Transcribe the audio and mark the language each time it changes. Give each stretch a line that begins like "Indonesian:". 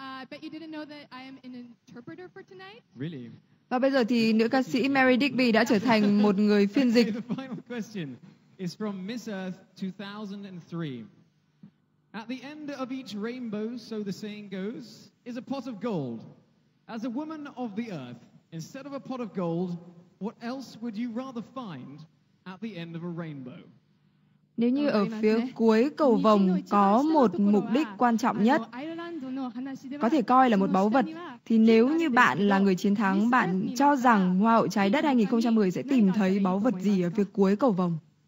English: But you didn't know that I am an interpreter for tonight? Really?
Vietnamese: Và bây giờ thì nữ ca sĩ Mary Digby đã trở thành một người phiên dịch.
English: The final question is from Miss Earth 2003. At the end of each rainbow, so the saying goes, is a pot of gold. As a woman of the earth, instead of a pot of gold, what else would you rather find at the end of a rainbow?
Vietnamese: Nếu như ở phía cuối cầu vồng có một mục đích quan trọng nhất, có thể coi là một báu vật, thì nếu như bạn là người chiến thắng, bạn cho rằng Hoa hậu trái đất 2010 sẽ tìm thấy báu vật gì ở phía cuối cầu vồng?